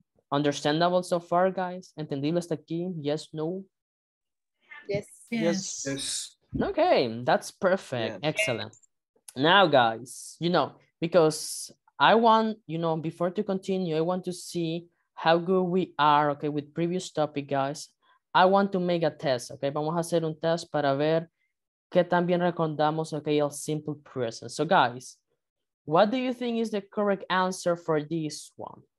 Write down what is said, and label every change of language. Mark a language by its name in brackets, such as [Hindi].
[English] Understandable so far, guys? [Spanish] ¿Entendible hasta aquí? [English] Yes, no? Yes. Yes. Yes. Okay, that's perfect. Yes. Excellent. Now, guys, you know, because I want, you know, before to continue, I want to see how good we are, okay, with previous topic, guys. I want to make a test, okay? [Spanish] Vamos a hacer un test para ver que también recordamos, okay, el simple present. [English] So, guys, what do you think is the correct answer for this one?